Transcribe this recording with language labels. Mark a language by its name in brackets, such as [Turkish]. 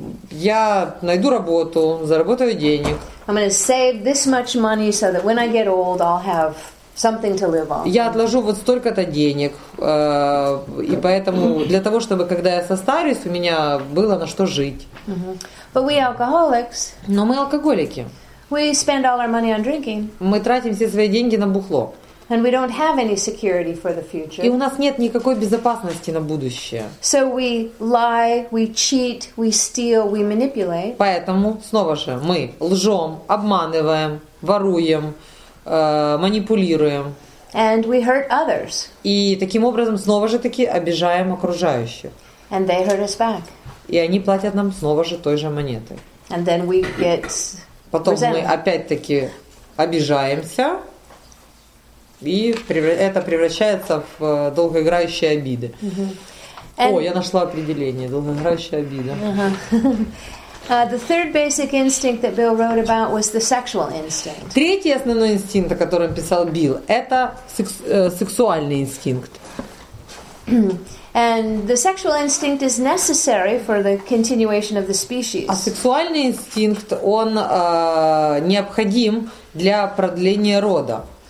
[Russian] Я найду работу, заработаю денег. [English] I'm going to save this much money so that when I get old, I'll have something to live on. [Russian] Я отложу вот столько-то денег, и поэтому для того, чтобы когда я состарюсь, у меня было на что жить. [English] But we alcoholics. [Russian] Но мы алкоголики. [English] We spend all our money on drinking. [Russian] Мы тратим все свои деньги на бухло. [English] And we don't have any security for the future. [Russian] И у нас нет никакой безопасности на будущее. [English] So we lie, we cheat, we steal, we manipulate. [Russian] Поэтому снова же мы лжем, обманываем, воруем, манипулируем. [English] And we hurt others. [Russian] И таким образом снова же таки обижаем окружающих. [English] And they hurt us back. [Russian] И они платят нам снова же той же монетой. [English] And then we get [Russian] потом мы опять-таки обижаемся. И это превращается в долгоиграющие обиды. О, я нашла определение. Долгоиграющая обида. [English] The third basic instinct that Bill wrote about was the sexual instinct. [Russian] Третий основной инстинкт, о котором писал Билл, это сексуальный инстинкт. [English] And the sexual instinct is necessary for the continuation of the species. [Russian] А сексуальный инстинкт, он необходим для продления рода.